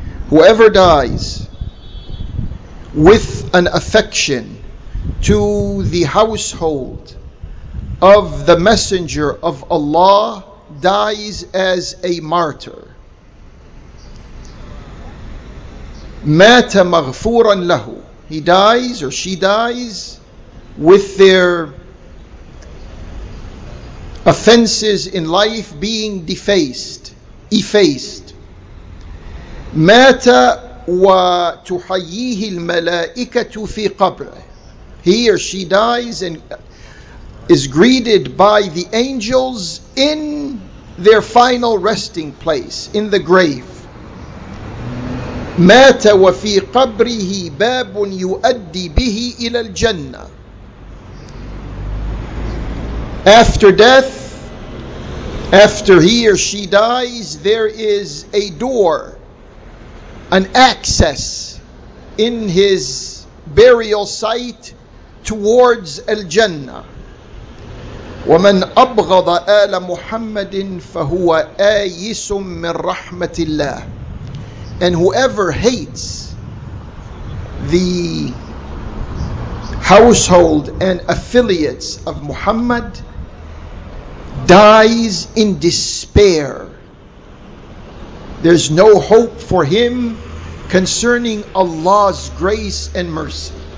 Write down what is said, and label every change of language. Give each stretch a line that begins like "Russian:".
English: Whoever dies with an affection to the household of the Messenger of Allah dies as a martyr.
Arabic: مات مغفورا له.
English: He dies, or she dies, with their offenses in life being effaced.
Arabic: مات وتحييه الملائكة في قبره.
English: He or she dies and is greeted by the angels in their final resting place, in the grave.
Arabic: مات وفي قبره باب يؤدي به إلى الجنة.
English: After death, after he or she dies, there is a door, an access in his burial site towards الجنة.
Arabic: ومن أبغض آل محمد فهو آيس من رحمة الله.
English: And whoever hates the household and affiliates of Muhammad dies in despair. There's no hope for him concerning Allah's grace and mercy.